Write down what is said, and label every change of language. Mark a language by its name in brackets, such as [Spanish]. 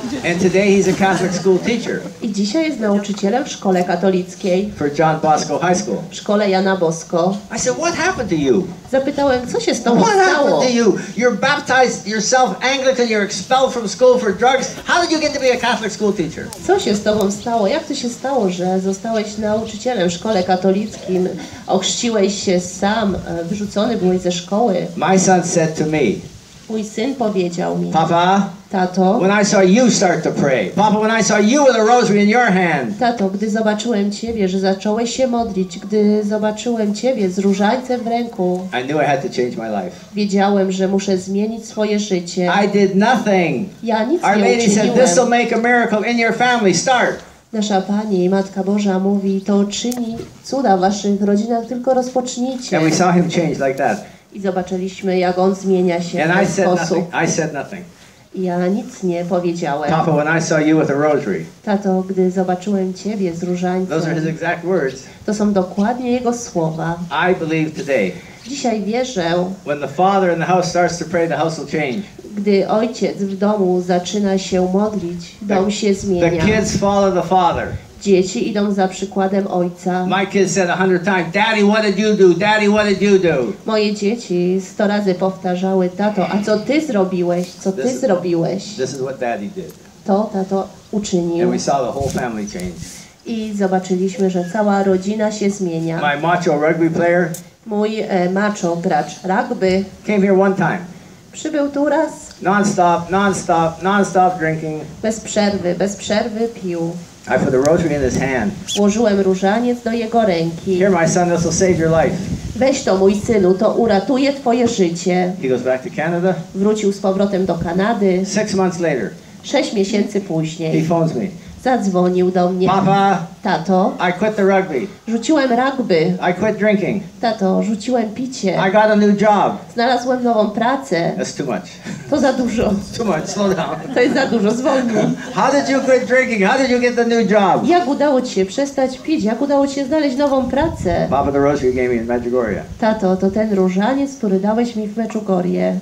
[English] And today he's a Catholic school teacher. [Polish] I dzisiaj jest nauczycielem w szkole katolickiej. [English] For John Bosco High School. [Polish] W szkole Jana Bosco. [English] I said, what happened to you? [Polish] Zapytałem, co się z tobą [English] what [Polish] stało? [English] What happened to you? You're baptized yourself Anglican, you're expelled from school for drugs. How did you get to be a Catholic school teacher? [Polish] Co się z tobą stało? Jak to się stało, że zostałeś nauczycielem w szkole katolickim? Ochrzciłeś się sam, wyrzucony byłeś ze szkoły. [English] My son said to me. [Polish] Mój syn powiedział mi. [English] Papa. [Polish] Tato, [English] when I saw you start to pray. Papa, when I saw you with a rosary in your hand. [Polish] Tato, gdy zobaczyłem ciebie, że zacząłeś się modlić, gdy zobaczyłem ciebie z różańcem w ręku. [English] I knew I had to change my life. [Polish] Wiedziałem, że muszę zmienić swoje życie. [English] I did nothing. [Polish] Ja nic [English] our [Polish] nie [English] lady [Polish] uczyniłem. [English] Said this will make a miracle in your family. Start. [Polish] Nasza Pani, Matka Boża mówi, to czyni cuda w waszych rodzinach, tylko rozpocznijcie. [English] And we saw him change like that. [Polish] I zobaczyliśmy, jak on zmienia się [English] and [Polish] w ten [English] I said [Polish] sposób. [English] Nothing. I said nothing. [Polish] Ja nic nie powiedziałem. [English] Papa, when I saw you with a rosary. [Polish] Tato, gdy zobaczyłem ciebie z różańcem. [English] Those are his exact words. [Polish] To są dokładnie jego słowa. [English] I believe today. [Polish] Dzisiaj wierzę. [English] When the father in the house starts to pray, the house will change. [Polish] Gdy ojciec w domu zaczyna się modlić, dom się zmienia. [English] The kids follow the father. [Polish] Dzieci idą za przykładem ojca. [English] My kids said 100 times, Daddy, what did you do? Daddy, what did you do? [Polish] Moje dzieci 100 razy powtarzały, Tato, a co ty zrobiłeś? Co ty zrobiłeś? [English] This is what Daddy did. [Polish] To tato uczynił. [English] And we saw the whole family change. [Polish] I zobaczyliśmy, że cała rodzina się zmienia. [English] My macho rugby player. [Polish] Mój macho gracz rugby. [English] Came here one time. [Polish] Przybył tu raz. [English] Non-stop, non-stop, non-stop drinking. [Polish] Bez przerwy pił. [English] I put the rosary in his hand. [Polish] Włożyłem różaniec do jego ręki. [English] Here, my son, this will save your life. [Polish] Weź to, mój synu, to uratuje twoje życie. [English] He goes back to Canada. [Polish] Wrócił z powrotem do Kanady. [English] 6 months later. [Polish] 6 miesięcy później. [English] He phones me. [Polish] Zadzwonił do mnie. [English] Papa. [Polish] Tato. [English] I quit the rugby. [Polish] Rzuciłem rugby. [English] I quit drinking. [Polish] Tato, rzuciłem picie. [English] I got a new job. [Polish] Znalazłem nową pracę. [English] That's too much. [Polish] To za dużo. [English] It's too much. Slow down. [Polish] To jest za dużo. Zwolnij. [English] How did you quit drinking? How did you get the new job? [Polish] Jak udało ci się przestać pić? Jak udało ci się znaleźć nową pracę? [English] Papa, the rosary gave me in Medjugorje. [Polish] Tato, to ten różaniec, który dałeś mi w Medjugorje.